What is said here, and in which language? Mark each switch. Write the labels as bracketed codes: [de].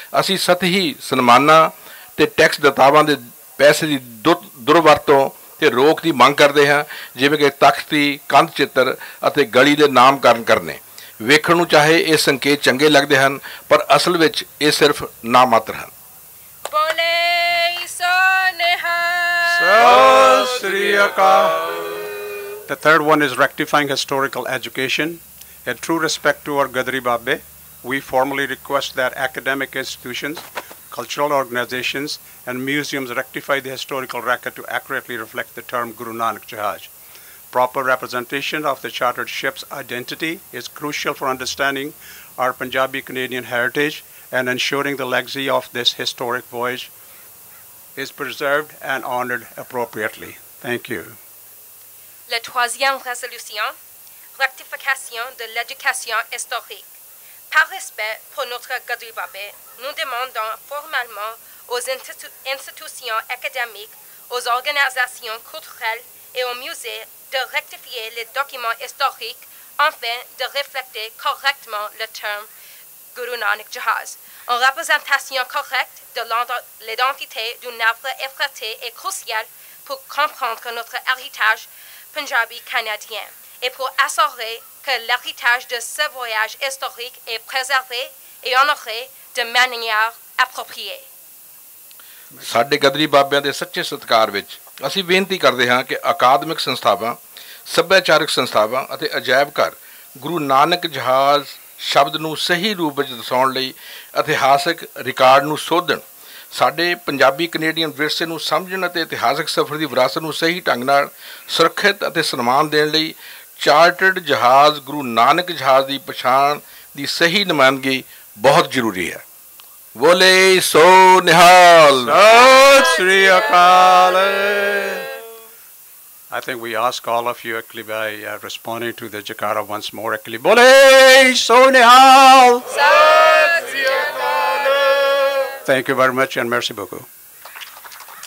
[pa] ਅਸੀਂ ਸਤਹੀ ਸਨਮਾਨਾਂ ਅਤੇ ਟੈਕਸ ਦਾਤਾਵਾਂ ਦੇ ਪੈਸੇ ਦੀ ਦੁਰਵਰਤੋਂ ਅਤੇ ਰੋਕ ਦੀ ਮੰਗ ਕਰਦੇ ਹਾਂ, ਜਿਵੇਂ ਕਿ ਤਖ਼ਤੀ, ਕੰਧ ਚਿੱਤਰ ਅਤੇ ਗਲੀ ਦੇ ਨਾਮਕਰਨ ਕਰਨੇ। ਵੇਖਣ ਨੂੰ ਚਾਹੇ ਇਹ ਸੰਕੇਤ ਚੰਗੇ ਲੱਗਦੇ ਹਨ, ਪਰ ਅਸਲ ਵਿੱਚ ਇਹ ਸਿਰਫ ਨਾਮ ਮਾਤਰ ਹਨ। ਬੋਲੇ ਸੋ ਨਿਹਾਲ ਸੋ ਸ੍ਰੀ ਅਕਾਲ। [en] The third one is rectifying historical education. In true respect to our Gadri Babe, we formally request that academic institutions, cultural organizations and museums rectify the historical record to accurately reflect the term Guru Nanak Jahaj. Proper representation of the chartered ship's identity is crucial for understanding our Punjabi Canadian heritage and ensuring the legacy of this historic voyage is preserved and honored appropriately. Thank you. [fr] La troisième résolution, rectification de l'éducation historique. Par respect pour notre Gadri Babe, nous demandons formellement aux institutions académiques, aux organisations culturelles et aux musées de rectifier les documents historiques afin de refléter correctement le terme Guru Nanak Jahaj. Une représentation correcte de l'identité d'une œuvre effrétée est cruciale pour comprendre notre héritage Punjabi canadien et pour assurer que l'héritage de ce voyage historique est préservé et honoré de manière appropriée. [pa] ਸਾਡੇ ਗਦਰੀ ਬਾਬਿਆਂ ਦੇ ਸੱਚੇ ਸਤਿਕਾਰ ਵਿੱਚ ਅਸੀਂ ਬੇਨਤੀ ਕਰਦੇ ਹਾਂ ਕਿ ਅਕਾਦਮਿਕ ਸੰਸਥਾਵਾਂ, ਸੱਭਿਆਚਾਰਕ ਸੰਸਥਾਵਾਂ ਅਤੇ ਅਜਾਇਬ ਘਰ ਗੁਰੂ ਨਾਨਕ ਜਹਾਜ਼ ਸ਼ਬਦ ਨੂੰ ਸਹੀ ਰੂਪ ਵਿੱਚ ਦਰਸਾਉਣ ਲਈ ਇਤਿਹਾਸਿਕ ਰਿਕਾਰਡ ਨੂੰ ਸੋਧਣ। ਸਾਡੇ ਪੰਜਾਬੀ ਕੈਨੇਡੀਅਨ ਵਿਰਸੇ ਨੂੰ ਸਮਝਣ ਅਤੇ ਇਤਿਹਾਸਿਕ ਸਫ਼ਰ ਦੀ ਵਿਰਾਸਤ ਨੂੰ ਸਹੀ ਢੰਗ ਨਾਲ ਸੁਰੱਖਿਅਤ ਅਤੇ ਸਨਮਾਨ ਦੇਣ ਲਈ ਚਾਰਟਰਡ ਜਹਾਜ਼ ਗੁਰੂ ਨਾਨਕ ਜਹਾਜ਼ ਦੀ ਪਛਾਣ ਦੀ ਸਹੀ ਨੁਮਾਇੰਦਗੀ ਬਹੁਤ ਜ਼ਰੂਰੀ ਹੈ। ਬੋਲੇ ਸੋ ਨਿਹਾਲ ਸਤਿ ਸ੍ਰੀ ਅਕਾਲ [en] I think we ask all of you actually by responding to the jakara once more actually [pa] bolay so nihal sat sri akal [en] thank you very much and [fr] merci beaucoup